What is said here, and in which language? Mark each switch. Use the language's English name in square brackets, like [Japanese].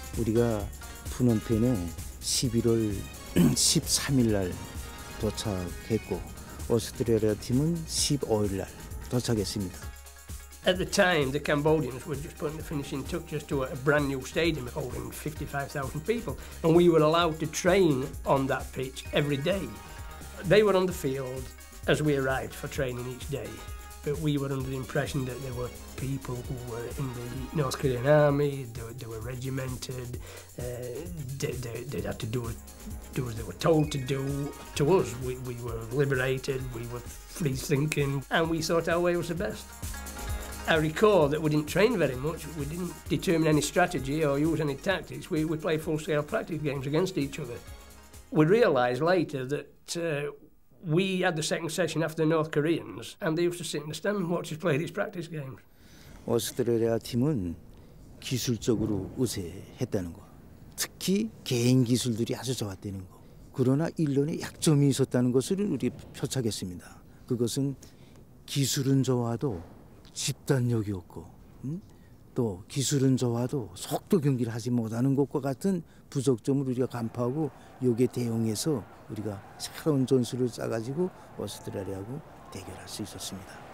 [Korean] 우리가 푸놈펜에 11월 13일 날 도착했고 오스트레일리아 팀은 15일 날 도착했습니다. [English] At the time, the Cambodians were just putting the finishing touches to a brand new stadium holding 55,000 people, and we were allowed to train on that pitch every day. They were on the field as we arrived for training each day, but we were under the impression that there were people who were in the North Korean army, they were regimented, they'd have to do as they were told to do. To us, we were liberated, we were free thinking, and we thought our way was the best. I recall that we didn't train very much, we didn't determine any strategy or use any tactics, we played full-scale practice games against each other. We realised later that we had the second session after the North Koreans, and they used to sit in the stand and watch us play these practice games. [Korean] 오스트레일리아 팀은 기술적으로 우세했다는 거, 특히 개인 기술들이 아주 좋았다는 거. 그러나 일론에 약점이 있었다는 것을 우리 표착했습니다. 그것은 기술은 좋아도 집단력이었고, 또 기술은 좋아도 속도 경기를 하지 못하는 것과 같은 부족점을 우리가 간파하고 여기에 대응해서 우리가 새로운 전술을 짜가지고 오스트레일리아하고 대결할 수 있었습니다.